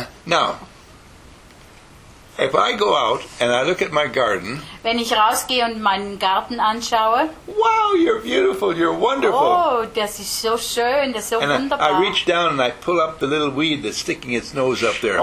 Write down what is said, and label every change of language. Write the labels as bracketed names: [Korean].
[English] Now, if I go out and I look at my garden, [German] wenn ich rausgehe und meinen Garten anschaue, [English] wow, you're beautiful, you're wonderful. [German] Oh, das ist so schön, das ist so [English] and [German] wunderbar. [English] I reach down and I pull up the little weed that's sticking its nose up there.